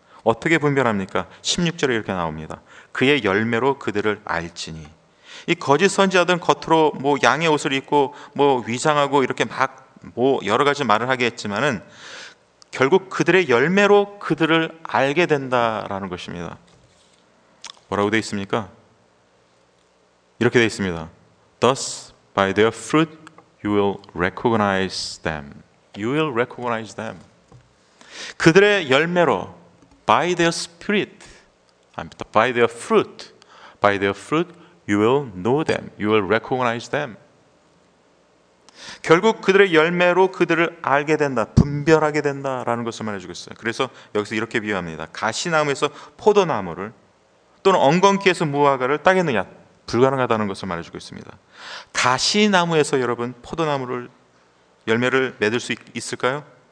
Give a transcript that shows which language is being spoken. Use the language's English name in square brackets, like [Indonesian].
[Korean] 어떻게 분별합니까? 16절에 이렇게 나옵니다. 그의 열매로 그들을 알지니. 이 거짓 선지자들은 겉으로 뭐 양의 옷을 입고 뭐 위장하고 이렇게 막 뭐 여러 가지 말을 하겠지만은 결국 그들의 열매로 그들을 알게 된다라는 것입니다. 뭐라고 되어 있습니까? 이렇게 되어 있습니다. [English] Thus by their fruit you will recognize them. You will recognize them. [Korean] 그들의 열매로, [English] by their spirit, by their fruit, by their fruit you will know them, you will recognize them. [Korean] 결국 그들의 열매로 그들을 알게 된다, 분별하게 된다라는 것을 말해주고 있어요. 그래서 여기서 이렇게 비유합니다. 가시나무에서 포도나무를 또는 엉겅퀴에서 무화과를 따겠느냐? 불가능하다는 것을 말해주고 있습니다. 가시나무에서 여러분 포도나무를 열매를 맺을 수 있을까요?